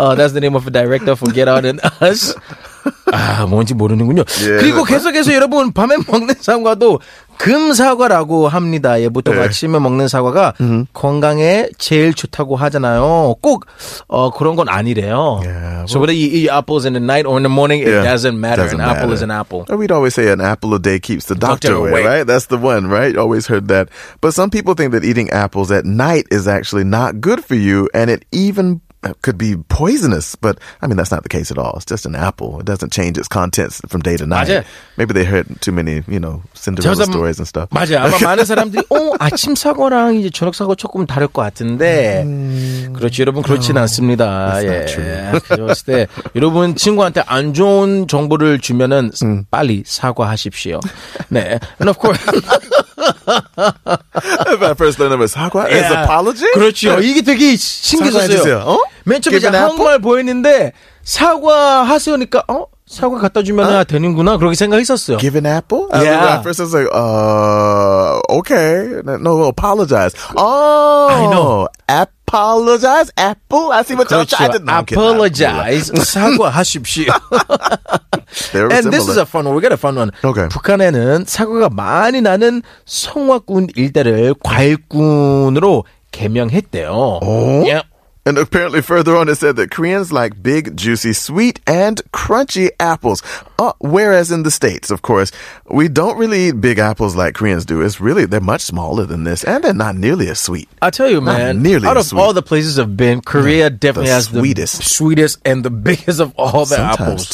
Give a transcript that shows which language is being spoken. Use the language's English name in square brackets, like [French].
[English] That's the name of a director for Get Out and Us. [Korean] 아, 뭔지 모르는군요. [English] Yeah, [Korean] 그리고 계속해서 여러분 밤에 먹는 사과도 금사과라고 합니다. 예부터 [English] yeah. [Korean] 아침에 먹는 사과가 mm-hmm. 건강에 제일 좋다고 하잖아요. 꼭 그런 건 아니래요. [English] Yeah, well, so whether you eat apples in the night or in the morning, it yeah, doesn't matter. Doesn't an matter. Apple is an apple. And we'd always say an apple a day keeps the doctor, doctor away, away, right? That's the one, right? Always heard that. But some people think that eating apples at night is actually not good for you, and it even could be poisonous, but I mean, that's not the case at all. It's just an apple. It doesn't change its contents from day to night. [Korean] 맞아. [English] Maybe they heard too many, you know, Cinderella stories and stuff. [Korean] 맞아. 아마 많은 사람들이 아침 사과랑 이제 저녁 사과 조금 다를 것 같은데 그렇지 여러분 그렇지 [English] no, [Korean] 않습니다. [English] That's not [Korean] 예. [English] true. [Korean] 그랬을 때 여러분 친구한테 안 좋은 정보를 주면은 빨리 사과하십시오. 네. [English] And of course... If I first learned about 사과, yeah. it's apology? [Korean] 그렇죠. 이게 되게 신기했어요. 어? 맨 처음에 이제 한국말 보였는데 사과하세요니까 어? 사과 갖다 주면 huh? 되는구나 그렇게 생각했었어요. [English] Give an apple? Yeah. I first was like, okay. No, apologize. Oh, I know. Apple. apologize, Apple. I see what you're trying to do. Apologize. [Korean] 사과하십시오. [English] And this is a fun one. We got a fun one. Okay. [Korean] 북한에는 사과가 많이 나는 성화군 일대를 과일군으로 개명했대요. [English] Oh? Yep. And apparently further on it said that Koreans like big, juicy, sweet, and crunchy apples. Whereas in the States, of course, we don't really eat big apples like Koreans do. It's really, they're much smaller than this, and they're not nearly as sweet. I tell you, man, out of all the places I've been, Korea definitely has the sweetest and the biggest of all the apples.